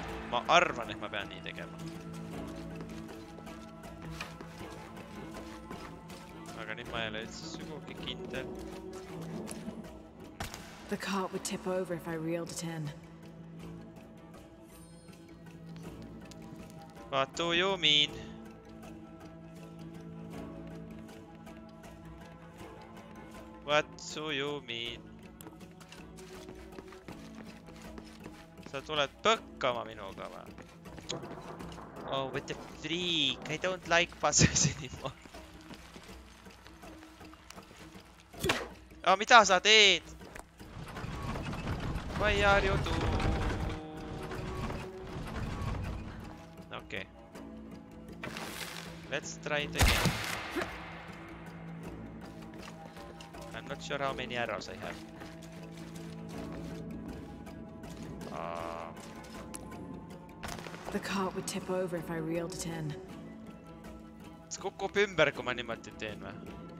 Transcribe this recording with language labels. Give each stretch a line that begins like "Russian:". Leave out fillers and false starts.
Estonian: Ma arvan, et ma pean nii tegema. Aga nii ma ei ole üldse sugugi kindel.
English: The cart would tip over if I reeled it in. What do you mean? What do you mean?
Estonian: Sa tuled põkkama minuga va?
English: Oh, with the freak. I don't like puzzles anymore.
Estonian: Oh, mida sa teed?
English: Why are you doing? Okay. Let's try it again. I'm not sure how many arrows I have. The cart would tip over if I reeled it in.
Estonian: See kukub ümber, kui ma niimoodi teen või?